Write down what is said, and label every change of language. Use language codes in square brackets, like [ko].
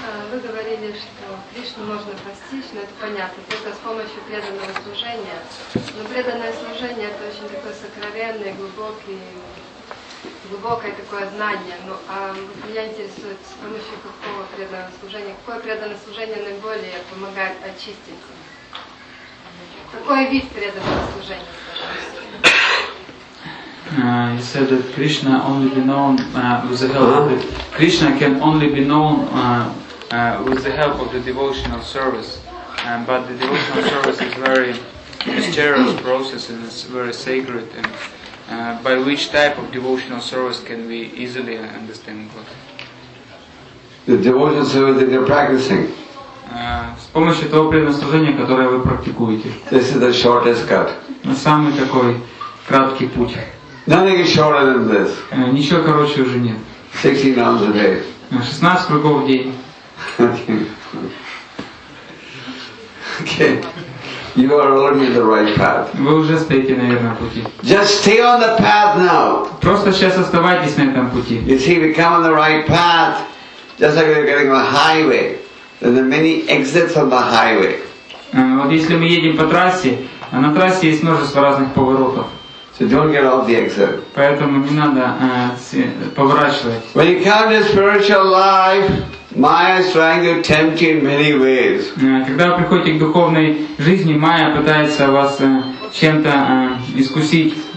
[ru] Вы говорили, что Кришну можно постичь, но это понятно, только с помощью преданного служения. Но преданное служение это очень такое сокровенное, глубокое такое знание. Ну, а меня интересует, с помощью какого преданного служения, какое преданное служение наиболее помогает очиститься? [en] He said that Krishna only be known with the help of Krishna can only be known with the help of the devotional service. But the devotional service is very mysterious process and it's very sacred. And by which type of devotional service can we easily understand God? The devotional service that you're practicing. [ru] С помощью того преданного служения, которое вы практикуете. [en] This is the shortest cut. [ru] Самый такой краткий путь. [en] Nothing is shorter than this. [ru] Ничего короче уже нет. [en] 16 rounds a day. [ru] 16 кругов в день. [en] Okay. You are already on the right path. [ru] Вы уже стоите на верном пути. [en] Just stay on the path now. [ru] Просто сейчас оставайтесь на этом пути. [en] You see, we come on the right path, just like we're getting on a highway. There are many exits on the highway. [ru] Вот если мы едем по трассе, а на трассе есть множество разных поворотов. [en] So don't get off the exit. [ru] Поэтому не надо поворачивать. [en] When you come to spiritual life, Maya is trying to tempt you in many ways. [ru] Когда вы приходите к духовной жизни, Майя пытается вас чем-то искусить.